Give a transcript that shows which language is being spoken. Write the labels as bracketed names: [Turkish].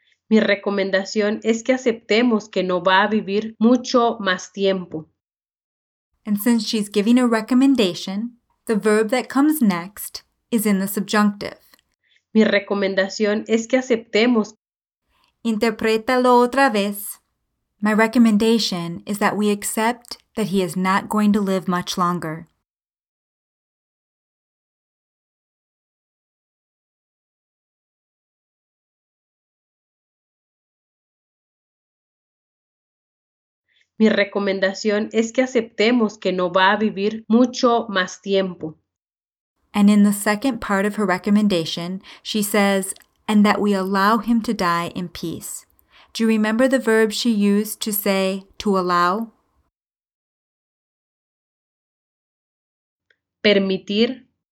[Spanish] Mi recomendación es que aceptemos que no va a vivir mucho más tiempo. [English] And since she's giving a recommendation, the verb that comes next is in the subjunctive. [Spanish] Mi recomendación es que aceptemos. Interprétalo otra vez. [English] My recommendation is that we accept that he is not going to live much longer. [Spanish] Mi recomendación es que aceptemos que no va a vivir mucho más tiempo. [English] And in the second part of her recommendation, she says, and that we allow him to die in peace. Do you remember the verb she used to say, to allow? [Spanish] Permitir.